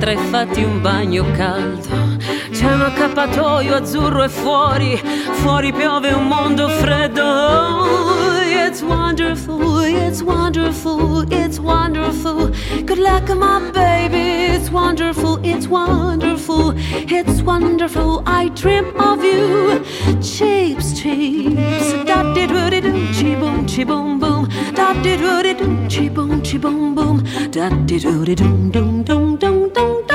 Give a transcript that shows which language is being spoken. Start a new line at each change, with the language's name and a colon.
Italian: Fatti un bagno caldo, c'è un accappatoio azzurro e fuori, fuori piove un mondo freddo.
English: Oh, it's wonderful, it's wonderful, it's wonderful. Good luck, my baby. It's wonderful, it's wonderful, it's wonderful. I dream of you. Chips, chips. Da di do di do, chi boom, chi boom, boom. Da di do di do, chi boom, chi boom, boom. Da di do di do, dum, dum, dum, dum.